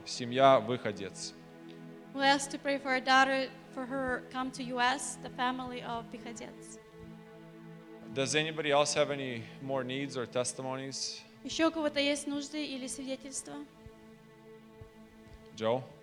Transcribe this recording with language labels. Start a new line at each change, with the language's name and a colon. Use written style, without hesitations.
Russian: Семья выходец.
English: We ask to pray for our daughter, for her come to US, the family of выходец. Does anybody else have any more needs or testimonies?
Russian: Еще у кого-то есть нужды или свидетельства?
English: Joe?